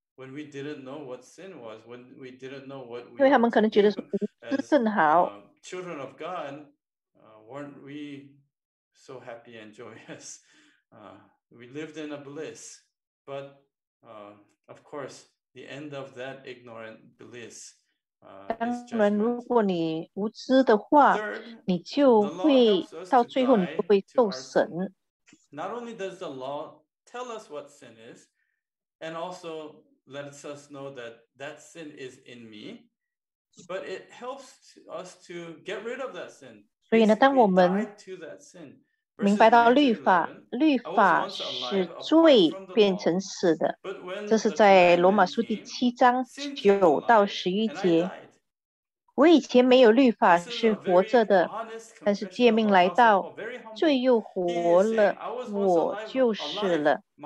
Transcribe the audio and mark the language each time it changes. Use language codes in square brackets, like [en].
[en] When we didn't know what sin was, when we didn't know what we. [zh] 因为他们可能觉得无知甚好。 [en] Children of God, weren't we so happy and joyous? We lived in a bliss, but. Of course, the end of that ignorant bliss. [zh] 当然，如果你无知的话，你就会到最后你不会受审。 [en] Not only does the law tell us what sin is, and also lets us know that that sin is in me, but it helps us to get rid of that sin. [zh] 所以呢，当我们明白到律法，律法使罪变成死的，这是在罗马书第七章九到十一节。我以前没有律法是活着的，但是诫命来到，罪又活了，我就死了。